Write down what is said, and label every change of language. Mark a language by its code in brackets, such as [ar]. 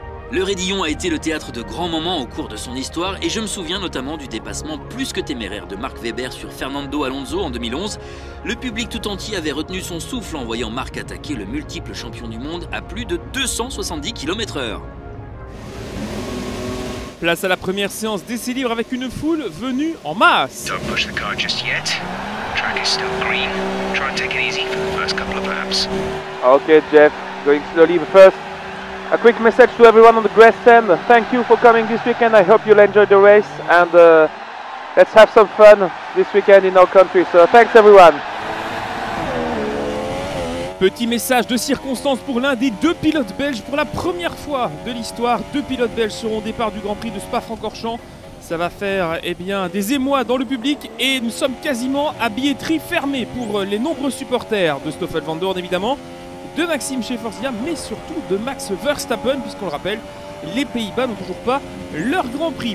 [fr] Le raidillon a été le théâtre de grands moments au cours de son histoire et je me souviens notamment du dépassement plus que téméraire de Marc Weber sur Fernando Alonso en 2011. Le public tout entier avait retenu son souffle en voyant Marc attaquer le multiple champion du monde à plus de 270 km/h. Place à la première séance d'essais libres avec une foule venue en masse. [en] Don't push the car just yet. Track is still green. Try and take it easy for the first couple of laps. Okay, Jeff, going slowly but first. A quick message to everyone on the grandstand. Thank you for coming this weekend. I hope you'll enjoy the race and let's have some fun this weekend in our country. So thanks everyone. [fr] Petit message de circonstance pour l'un des deux pilotes belges. Pour la première fois de l'histoire, deux pilotes belges seront au départ du Grand Prix de Spa-Francorchamps. Ça va faire des émois dans le public et nous sommes quasiment à billetterie fermée pour les nombreux supporters de Stoffel Vandoorne évidemment, de Maxime Scheffersia, mais surtout de Max Verstappen, puisqu'on le rappelle, les Pays-Bas n'ont toujours pas leur Grand Prix.